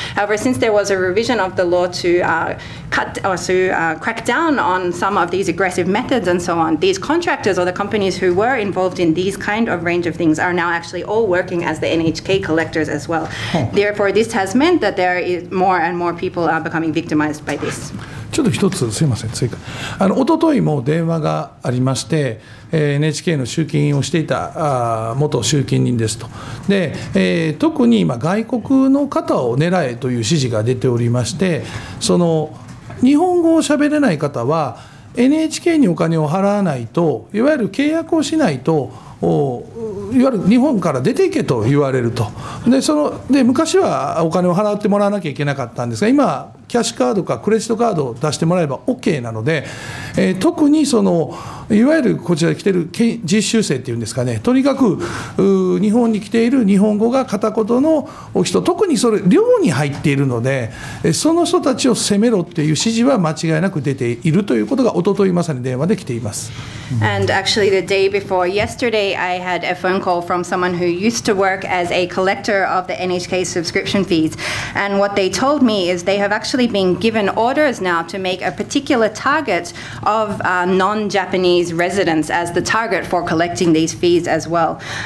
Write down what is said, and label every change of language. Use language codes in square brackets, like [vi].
[en] However, since there was a revision of the law to crack down on some of these aggressive methods and so on, these contractors or the companies who were involved in these kind of range of things are now actually all working as the NHK collectors as well. Therefore, this has meant that there is more and more people are becoming victimized by this. [ja] ちょっと一つすいません追加、おとといも電話がありまして、NHK の集金をしていた元集金人ですと。で、特に今外国の方を狙えという指示が出ておりまして、その日本語を喋れない方は NHK にお金を払わないと、いわゆる契約をしないと、いわゆる日本から出ていけと言われると。で、そので、昔はお金を払ってもらわなきゃいけなかったんですが、今キャッシュカードかクレジットカードを出してもらえば OK なので、特にそのいわゆるこちらに来ている実習生というんですかね、とにかく日本に来ている日本語が片言の人、特にそれ寮に入っているので、その人たちを責めろという指示は間違いなく出ているということが、おとといまさに電話で来ています。 [en] And actually the day before yesterday I had a phone call from someone who used to work as a collector of the NHK subscription fees, and what they told me is they have actually been given orders now to make a particular target of non-Japanese residents as the target for collecting these fees as well.